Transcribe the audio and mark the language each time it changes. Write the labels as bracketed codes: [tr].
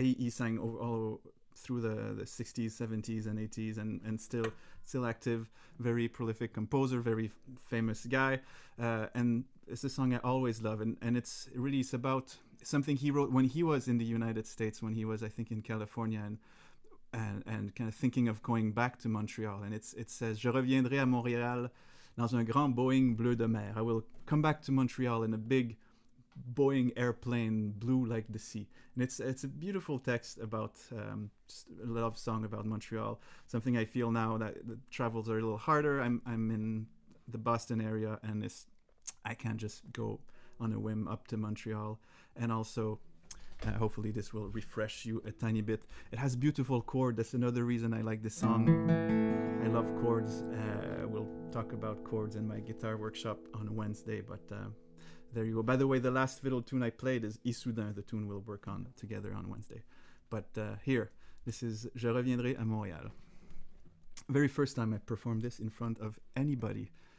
[en] He sang all through the 60s, 70s, and 80s, and still active. Very prolific composer, very famous guy. And it's a song I always love, and it's really, it's about something he wrote when he was in the United States, when he was, I think, in California, and kind of thinking of going back to Montreal. And it says, [fr] "Je reviendrai à Montréal dans un grand Boeing bleu de mer." [en] I will come back to Montreal in a big Boeing airplane, blue like the sea. And it's a beautiful text about just a love song about Montreal. Something I feel now that the travels are a little harder. I'm in the Boston area, and it's, I can't just go on a whim up to Montreal. And also, hopefully this will refresh you a tiny bit. It has beautiful chords. That's another reason I like this song. I love chords. We'll talk about chords in my guitar workshop on Wednesday, but there you go. By the way, the last fiddle tune I played is Issoudun, the tune we'll work on together on Wednesday. But here, this is Je reviendrai à Montréal. Very first time I performed this in front of anybody.